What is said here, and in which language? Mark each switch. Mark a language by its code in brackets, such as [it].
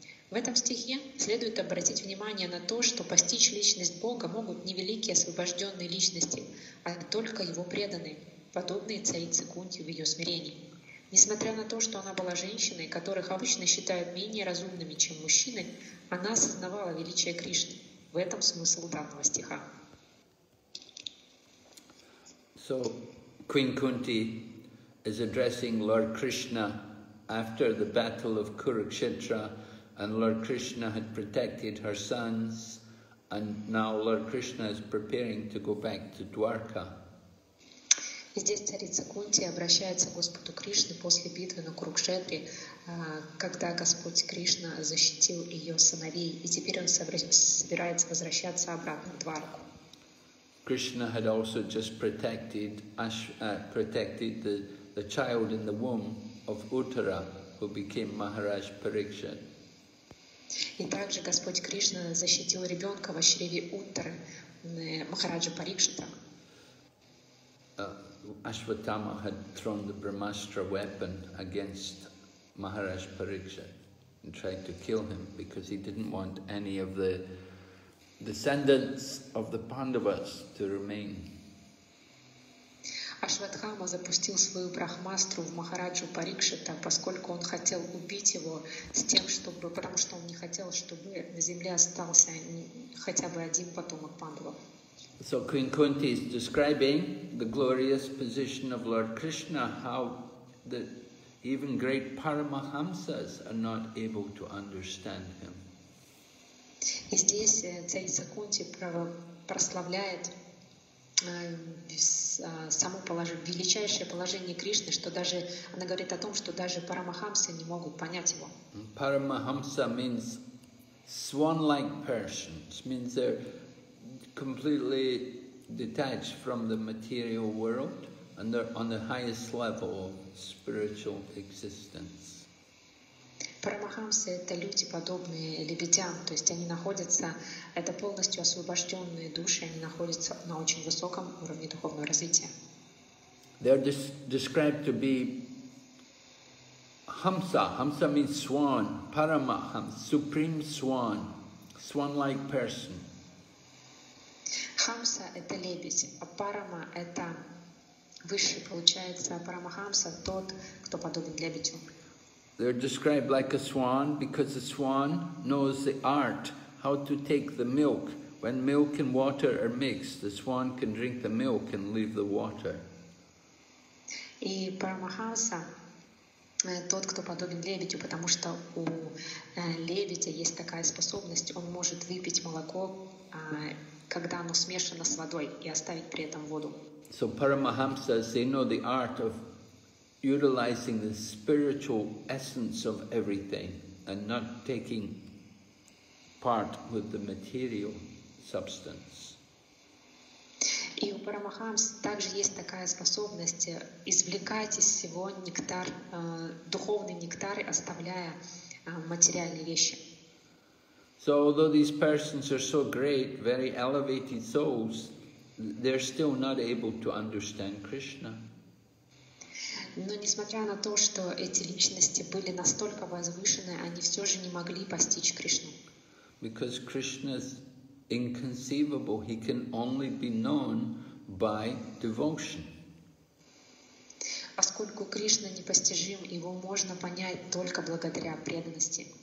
[ru] В этом стихе следует обратить внимание на то, что постичь личность Бога могут не великие освобожденные личности, а только Его преданные, подобные царице Кунти в ее смирении. Несмотря на то, что она была женщиной, которых обычно считают менее разумными, чем мужчины, она осознавала величие Кришны. В этом смысл данного стиха. [en] So... Queen Kunti is addressing Lord Krishna after the battle of Kurukshetra, and Lord Krishna had protected her sons, and now Lord Krishna is preparing to go back to Dwarka. [ru] Здесь царица Кунти обращается к Господу Кришне после битвы на Курукшетре, когда Господь Кришна защитил ее сыновей, и теперь он собирается возвращаться обратно в Дварку. [en] Krishna had also just protected the child in the womb of Uttara, who became Maharaj Parikshit. [ru] И также Господь Кришна защитил ребенка во чреве Уттары, Махараджа Парикшита. [en] Ashwatthama had thrown the Brahmastra weapon against Maharaj Parikshit and tried to kill him because he didn't want any of the descendants of the Pandavas to remain. [ru] Ашватхама запустил свою брахмастру в Махараджу Парикшита, поскольку он хотел убить его с тем, чтобы, потому что он не хотел, чтобы на земле остался хотя бы один потомок Пандавов. [en] So Queen Kunti is describing the glorious position of Lord Krishna, how the even great Paramahamsas are not able to understand him. [ru] И здесь царица Кунти прославляет величайшее положение Кришны, что даже она говорит о том, что даже парамахамсы не могут понять его. [en] Парамахамса means swan-like persons, means they're completely detached from the material world and they're on the highest level of spiritual existence. [ru] Парамахамсы — это люди, подобные лебедям, то есть они находятся, это полностью освобожденные души, они находятся на очень высоком уровне духовного развития. [en] They are described to be hamsa. Hamsa means swan, paramahamsa, supreme swan, swan-like person. [ru] Хамса — это лебедь, а парама — это высший, получается, парамахамса — тот, кто подобен лебедю. [en] They're described like a swan because a swan knows the art how to take the milk. When milk and water are mixed, the swan can drink the milk and leave the water. [ru] И Парамахамса тот, кто подобен лебедю, потому что у лебедя есть такая способность, он может выпить молоко, когда оно смешано с водой, и оставить при этом воду. [en] So Paramahamsas, they know the art of utilizing the spiritual essence of everything and not taking part with the material substance. [ru] И у Парамахамс также есть такая способность извлекать из всего нектар, духовный нектар, оставляя материальные вещи. [en] So although these persons are so great, very elevated souls, they're still not able to understand Krishna. [ru] Но несмотря на то, что эти личности были настолько возвышены, они все же не могли постичь Кришну. [en] Because Krishna's inconceivable, he can only be known by devotion. [ru] Поскольку Кришна непостижим, его можно понять только благодаря преданности.